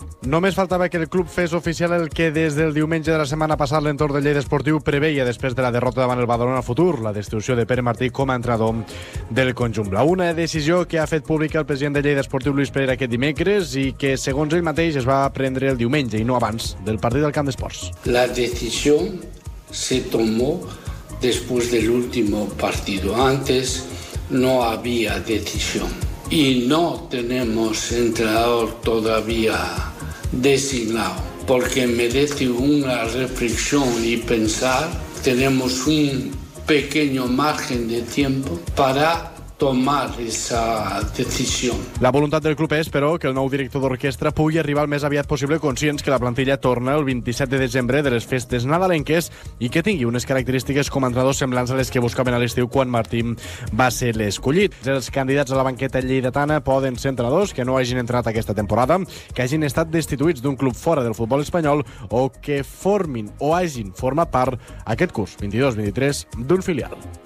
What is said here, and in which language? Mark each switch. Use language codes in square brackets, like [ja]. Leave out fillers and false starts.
[ca] Només faltava que el club fes oficial el que des del diumenge de la setmana passada l'entorn de Lleida Esportiu preveia després de la derrota davant el Badalona al futur, la destitució de Pere Martí com a entrenador del conjunt. Una decisió que ha fet pública el president de Lleida Esportiu, Lluís Pereira, aquest dimecres i que, segons ell mateix, es va prendre el diumenge i no abans del partit del Camp d'Esports. [es] La decisió se tomó después del último partido. Antes no había decisión. Y no tenemos entrenador todavía designado, porque merece una reflexión y pensar. Tenemos un pequeño margen de tiempo para tomar esa decisión. [ca] La voluntat del club és, però, que el nou director d'orquestra pugui arribar el més aviat possible, conscients que la plantilla torna el 27 de desembre de les festes nadalenques i que tingui unes característiques com a entrenador semblants a les que buscaven a l'estiu quan Martí va ser l'escollit. Els candidats a la banqueta lleidatana poden ser entrenadors que no hagin entrenat aquesta temporada, que hagin estat destituïts d'un club fora del futbol espanyol o que formin o hagin format part aquest curs 22-23 d'un filial.